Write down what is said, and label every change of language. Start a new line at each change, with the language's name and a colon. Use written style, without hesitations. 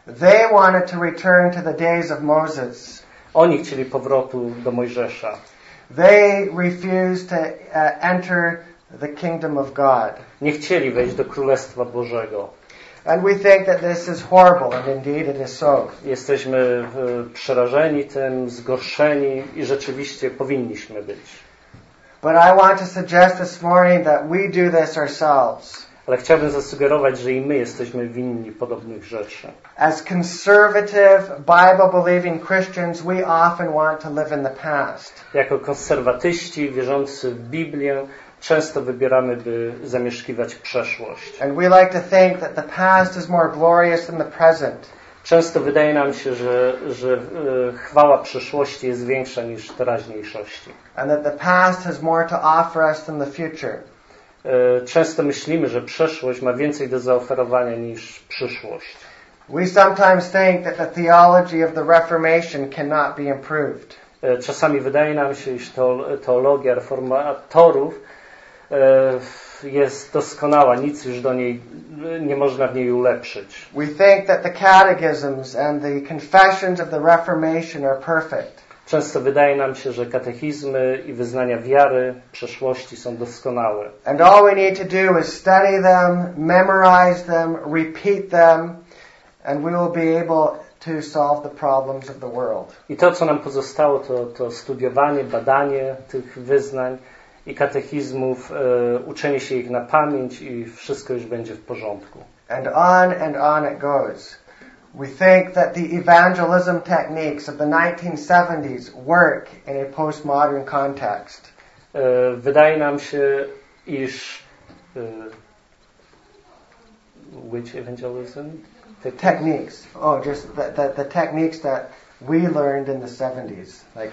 English: They wanted to return to the days of Moses.
Polish: Oni chcieli powrotu do Mojżesza.
English: They refused to enter the kingdom of God.
Polish: Nie chcieli wejść do Królestwa Bożego.
English: And we think that this is horrible, and indeed it is so.
Polish: Jesteśmy przerażeni tym, zgorszeni i rzeczywiście powinniśmy być.
English: But I want to suggest this morning that we do this ourselves.
Polish: Ale chciałbym zasugerować, że i my jesteśmy winni podobnych rzeczy.
English: As conservative, Bible-believing Christians, we often want to live in the past.
Polish: Jako konserwatyści wierzący w Biblię, często wybieramy, by zamieszkiwać przeszłość.
English: And we like to think that the past is more glorious than the present.
Polish: Często wydaje nam się, że chwała przeszłości jest większa niż teraźniejszości.
English: And that the past has more to offer us than the future.
Polish: Często myślimy, że przeszłość ma więcej do zaoferowania niż przyszłość.
English: We sometimes think that the theology of the Reformation cannot be improved.
Polish: Czasami wydaje nam się, iż teologia reformatorów jest doskonała, nic już do niej nie można w niej ulepszyć.
English: We think that the catechisms and the confessions of the Reformation are perfect.
Polish: Często wydaje nam się, że katechizmy i wyznania wiary przeszłości są doskonałe.
English: And all we need to do is study them, memorize them, repeat them, and we will be able to solve the problems of the world.
Polish: I to, co nam pozostało, to studiowanie, badanie tych wyznań i katechizmów, uczenie się ich na pamięć i wszystko już będzie w porządku.
English: And on it goes. We think that the evangelism techniques of the 1970s work in a postmodern context.
Polish: Wydaje nam się, iż
English: which evangelism? The techniques. Oh, just the techniques that we learned in the 70s.